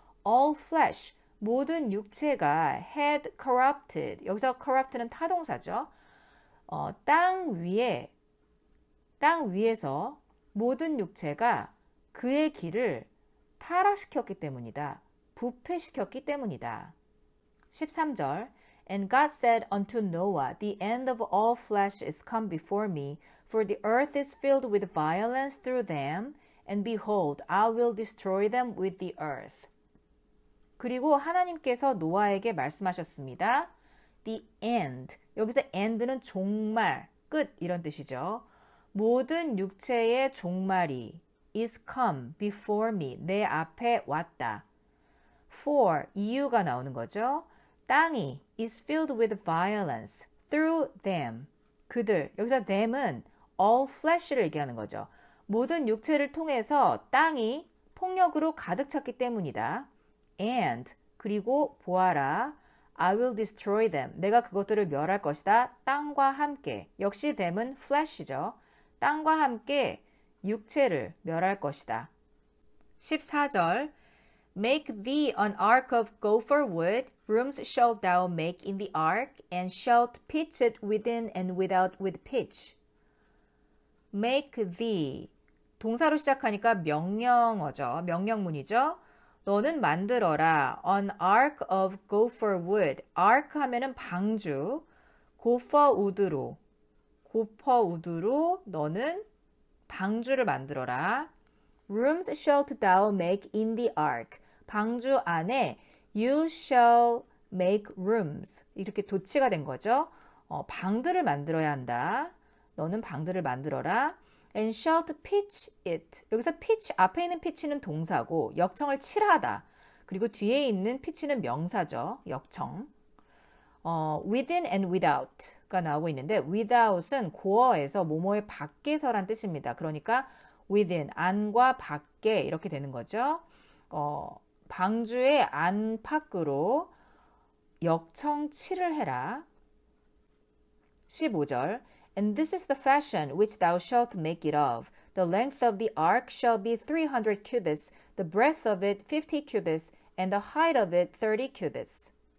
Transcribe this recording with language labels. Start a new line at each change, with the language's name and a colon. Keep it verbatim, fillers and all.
English: All flesh,
Korean: 모든 육체가
English: had corrupted.
Korean: 여기서 corrupt는 타동사죠. 어, 땅 위에, 땅 위에서 모든 육체가 그의 길을 타락시켰기 때문이다. 부패시켰기 때문이다. 십삼 절
English: And God said unto Noah, The end of all flesh is come before me, for the earth is filled with violence through them, and behold, I will destroy them with the earth.
Korean: 그리고 하나님께서 노아에게 말씀하셨습니다.
English: The end,
Korean: 여기서 end는 종말, 끝 이런 뜻이죠. 모든 육체의 종말이
English: is come before me,
Korean: 내 앞에 왔다.
English: For,
Korean: 이유가 나오는 거죠. 땅이
English: is filled with violence through them.
Korean: 그들, 여기서 them은
English: all flesh
Korean: 를 얘기하는 거죠. 모든 육체를 통해서 땅이 폭력으로 가득 찼기 때문이다.
English: And,
Korean: 그리고 보아라.
English: I will destroy them.
Korean: 내가 그것들을 멸할 것이다. 땅과 함께. 역시 them은 flesh이죠. 땅과 함께 육체를 멸할 것이다. 십사 절
English: Make thee an ark of gopher wood. Rooms shalt thou make in the ark, and shalt pitch it within and without with pitch. Make thee.
Korean: 동사로 시작하니까 명령어죠. 명령문이죠. 너는 만들어라.
English: An ark of gopher wood.
Korean: Ark 하면은 방주. Gopher wood로. Gopher wood로 너는 방주를 만들어라.
English: Rooms shalt thou make in the ark.
Korean: 방주 안에
English: you shall make rooms.
Korean: 이렇게 도치가 된 거죠. 어, 방들을 만들어야 한다. 너는 방들을 만들어라.
English: And shalt pitch it.
Korean: 여기서 pitch, 앞에 있는 pitch는 동사고 역청을 칠하다. 그리고 뒤에 있는 pitch는 명사죠. 역청. 어,
English: within and without
Korean: 가 나오고 있는데 without은 고어에서 뭐뭐의 밖에서란 뜻입니다. 그러니까 within, 안과 밖에 이렇게 되는 거죠. 어, 방주의 안팎으로 역청 칠을 해라. 십오 절
English: And this is the fashion which thou shalt make it of. The length of the ark shall be three hundred cubits, the breadth of it fifty cubits, and the height of it thirty cubits.